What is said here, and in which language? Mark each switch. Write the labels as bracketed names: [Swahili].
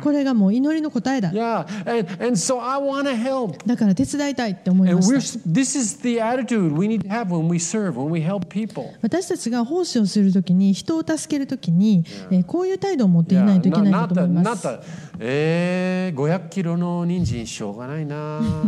[Japanese] これがもう祈りの答えだ。 [English] Yeah. And so I want to help. [Japanese] だから手伝いたいって思いました。 [English] And this is the attitude we need to have when we serve, when we help people. [Japanese] 私たちが奉仕をするときに、人を助けるときに、こういう態度を持っていないといけないと思います。 500キロの人参しょうがないな。